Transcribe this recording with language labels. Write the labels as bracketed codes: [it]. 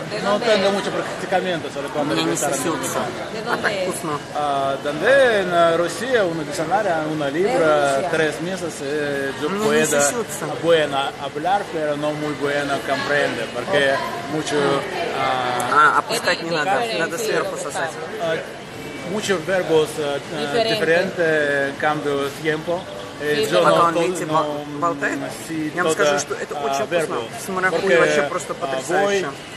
[es] No tengo mucho practicamiento sobre cuando me gusta la música. ¿De dónde es? ¿Dónde? En Rusia, una diccionaria, una libra, tres meses. Yo puedo bueno hablar, pero no muy bueno comprender, porque mucho... [ru] Опускать не надо, надо сверху сосать. [es] Mucho verbos diferentes, cambio tiempo. [ru] Пока он, видите, болтает, я вам скажу, что это очень вкусно. С маракуйей вообще просто потрясающе.